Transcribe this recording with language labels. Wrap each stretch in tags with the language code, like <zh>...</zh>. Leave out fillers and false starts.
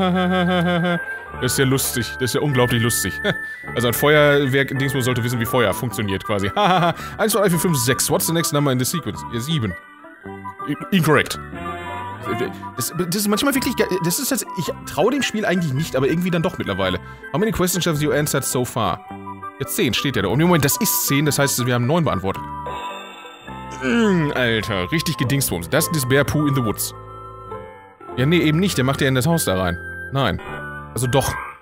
<de>Das ist ja lustig. Das ist ja unglaublich lustig. Also ein Feuerwerk, Dingsbums sollte wissen, wie Feuer funktioniert quasi.</de> <en>1, 2, 3, 4, 5, 6. What's the next number in the sequence? 7. Incorrect.</en> <de>Das ist manchmal wirklich geil. Das ist jetzt. Ich traue dem Spiel eigentlich nicht, aber irgendwie dann doch mittlerweile. How many questions have you answered so far? Jetzt 10 steht ja da. Und Moment, das ist 10, das heißt, wir haben 9 beantwortet. Alter, richtig gedingsbums. Das ist</de> <en>Bear Poo in the Woods.</en> <de>Ja, nee, eben nicht. Der macht ja in das Haus da rein. Nein. Also doch.</de>